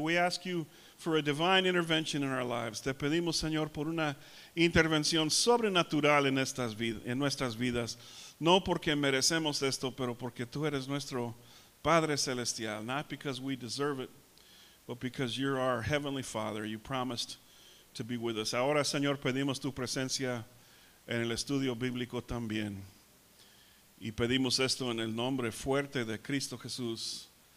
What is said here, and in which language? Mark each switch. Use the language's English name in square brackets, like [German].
[English] We ask You for a divine intervention in our lives. [Spanish] Te pedimos, Señor, por una intervención sobrenatural en nuestras vidas. No porque merecemos esto, pero porque Tú eres nuestro Padre Celestial. [English] Not because we deserve it, but because You're our Heavenly Father. You promised to be with us. [Spanish] Ahora, Señor, pedimos Tu presencia en el estudio bíblico también. Y pedimos esto en el nombre fuerte de Cristo Jesús.